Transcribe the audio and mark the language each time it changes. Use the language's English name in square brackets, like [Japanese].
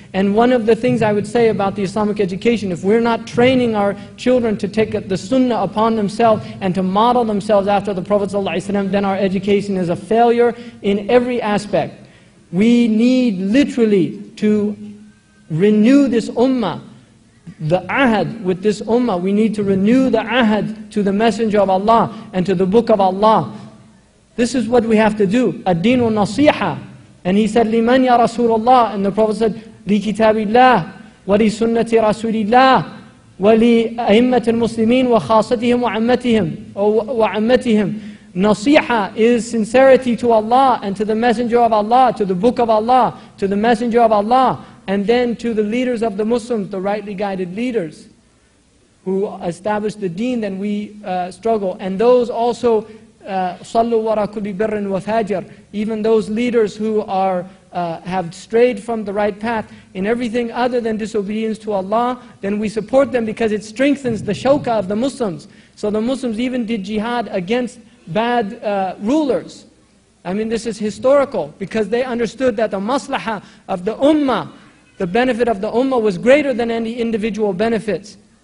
[English] And one of the things I would say about the Islamic education, if we're not training our children to take the sunnah upon themselves and to model themselves after the Prophet sallallahu alaihi wasallam, then our education is a failure in every aspect. We need literally to renew this ummah, the ahad with this ummah. We need to renew the ahad to the Messenger of Allah and to the Book of Allah. This is what we have to do. الدين والنصيحة. And he said, [Arabic] لِمَنْ يَا رَسُولَ اللَّهِ. [English] And the Prophet said, [Arabic] لِكِتَابِ اللَّهِ وَلِسُنَّةِ رَسُولِ اللَّهِ وَلِأَئِمَّةِ الْمُسْلِمِينَ وَخَاصَتِهِمْ وَعَمَّتِهِمْ. [English] Nasiha is sincerity to Allah and to the Messenger of Allah, to the Book of Allah, to the Messenger of Allah, and then to the leaders of the Muslims, the rightly guided leaders who established the deen, then we struggle. And those also, [Arabic] صَلُّوا وَرَا كُلِّ بِرٍّ وَفَاجِرٍ. [English] Even those leaders who are have strayed from the right path in everything other than disobedience to Allah, then we support them because it strengthens the shoka of the Muslims. So the Muslims even did jihad against bad rulers. I mean, this is historical because they understood that the maslaha of the ummah, the benefit of the ummah was greater than any individual benefits.